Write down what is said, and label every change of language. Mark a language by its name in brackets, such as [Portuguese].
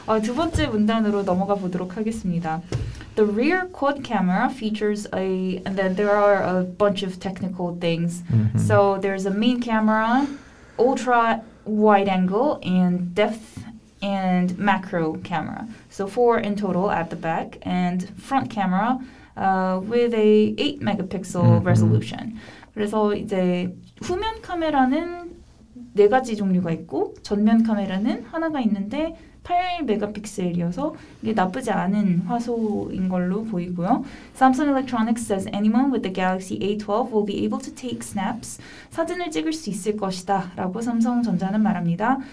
[Korean] 두 번째 문단으로 넘어가 보도록 하겠습니다. [English] The rear quad camera features a, and then there are a bunch of technical things. So there's a main camera, ultra wide angle and depth and macro camera. So 4 in total at the back and front camera with a 8 megapixel resolution. [Korean] 그래서 이제 후면 카메라는 네 가지 종류가 있고 전면 카메라는 하나가 있는데 8 megapixel이어서 이게 나쁘지 않은 화소인 걸로 보이고요. [English] Samsung Electronics says anyone with the Galaxy A12 will be able to take snaps. [Korean] 사진을 찍을 수 있을 것이다 라고 삼성전자는 말합니다.